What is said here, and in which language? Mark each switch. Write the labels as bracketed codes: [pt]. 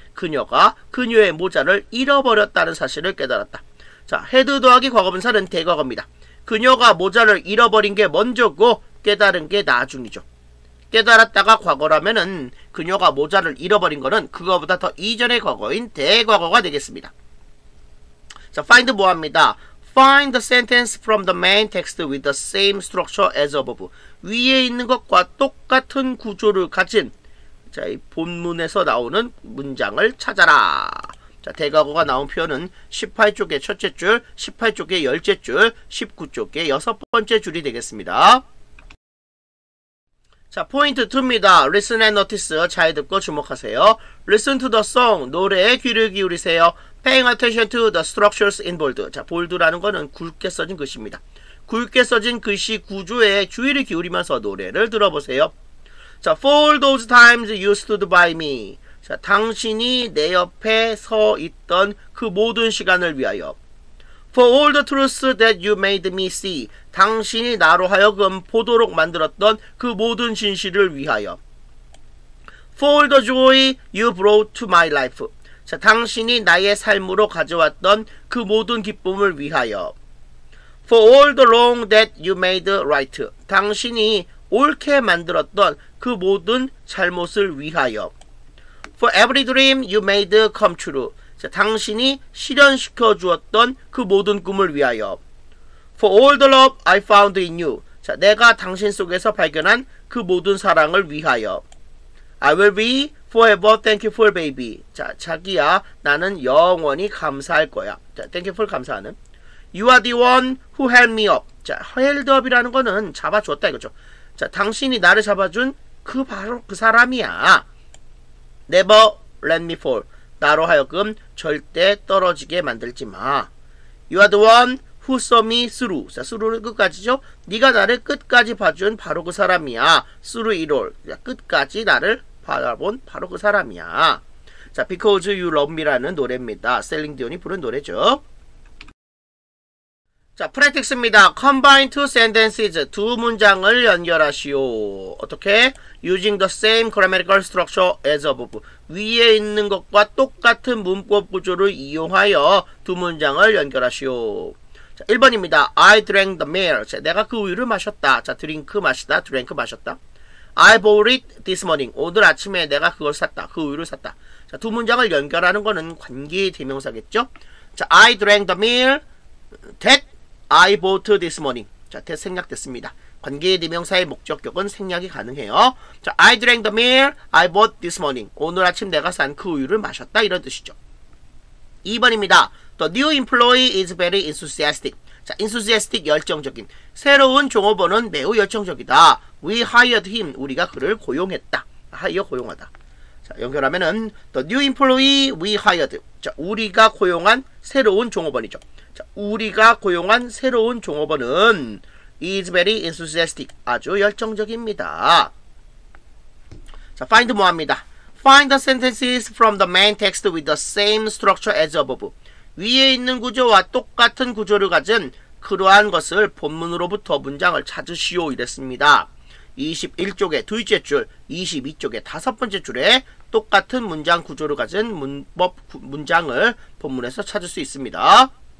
[ko] 그녀가 그녀의 모자를 잃어버렸다는 사실을 깨달았다. 자, had 더하기 과거분사는 대과거입니다. 그녀가 모자를 잃어버린 게 먼저고 깨달은 게 나중이죠. 깨달았다가 과거라면은 그녀가 모자를 잃어버린 거는 그거보다 더 이전의 과거인 대과거가 되겠습니다. 자, find 뭐합니다? [en] Find the sentence from the main text with the same structure as above. [ko] 위에 있는 것과 똑같은 구조를 가진, 자, 이 본문에서 나오는 문장을 찾아라. 자, 대과거가 나온 표현은 18쪽의 첫째 줄, 18쪽의 열째 줄, 19쪽의 여섯 번째 줄이 되겠습니다. 자, 포인트 2입니다. [en] Listen and notice. [ko] 잘 듣고 주목하세요. [en] Listen to the song. [ko] 노래에 귀를 기울이세요. [en] Paying attention to the structures in bold. [ko] 자, bold라는 거는 굵게 써진 글씨입니다. 굵게 써진 글씨 구조에 주의를 기울이면서 노래를 들어보세요. [en] 자, for those times you stood by me. [ko] 자, 당신이 내 옆에 서 있던 그 모든 시간을 위하여. [en] For all the truths that you made me see. [ko] 당신이 나로 하여금 보도록 만들었던 그 모든 진실을 위하여. [en] For all the joy you brought to my life. [ko] 자, 당신이 나의 삶으로 가져왔던 그 모든 기쁨을 위하여. [en] For all the wrong that you made right. [ko] 당신이 옳게 만들었던 그 모든 잘못을 위하여. [en] For every dream you made come true. [ko] 자, 당신이 실현시켜 주었던 그 모든 꿈을 위하여. [en] For all the love I found in you. [ko] 자, 내가 당신 속에서 발견한 그 모든 사랑을 위하여. [en] I will be forever thankful, baby. [ko] 자, 자기야, 나는 영원히 감사할 거야. 자, thankful, 감사하는. [en] You are the one who held me up. [ko] 자, held up이라는 거는 잡아주었다 이거죠. 자, 당신이 나를 잡아준 그 바로 그 사람이야. [en] Never let me fall. [ko] 나로 하여금 절대 떨어지게 만들지 마. [en] You are the one who saw me through. [ko] 자, through는 끝까지죠. 네가 나를 끝까지 봐준 바로 그 사람이야. [en] Through it all. [ko] 끝까지 나를 바라본 바로 그 사람이야. 자, Because You Love Me라는 노래입니다. 셀링 디온이 부른 노래죠. 자, 프랙틱스입니다. [en] Combine two sentences. [ko] 두 문장을 연결하시오. 어떻게? [en] Using the same grammatical structure as above. [ko] 위에 있는 것과 똑같은 문법 구조를 이용하여 두 문장을 연결하시오. 자, 1번입니다. [en] I drank the milk. [ko] 내가 그 우유를 마셨다. 자, drink 마시다. drank 마셨다. [en] I bought it this morning. [ko] 오늘 아침에 내가 그걸 샀다. 그 우유를 샀다. 자, 두 문장을 연결하는 거는 관계 대명사겠죠? [en] 자, I drank the milk. That I bought this morning. [ko] 자, that 생략됐습니다. 관계대명사의 목적격은 생략이 가능해요. [en] 자, I drank the milk I bought this morning. [ko] 오늘 아침 내가 산 그 우유를 마셨다. 이런 뜻이죠. 2번입니다. [en] The new employee is very enthusiastic. [ko] 자, enthusiastic 열정적인. 새로운 종업원은 매우 열정적이다. [en] We hired him. [ko] 우리가 그를 고용했다. Hire 고용하다. 자, 연결하면은 [en] The new employee we hired. [ko] 자, 우리가 고용한 새로운 종업원이죠. 자, 우리가 고용한 새로운 종업원은 [en] is very enthusiastic. [ko] 아주 열정적입니다. 자, find 뭐합니다? [en] Find the sentences from the main text with the same structure as above. [ko] 위에 있는 구조와 똑같은 구조를 가진 그러한 것을 본문으로부터 문장을 찾으시오. 이랬습니다. 21쪽의 둘째 줄, 22쪽의 다섯 번째 줄에 똑같은 문장 구조를 가진 문장을 본문에서 찾을 수 있습니다.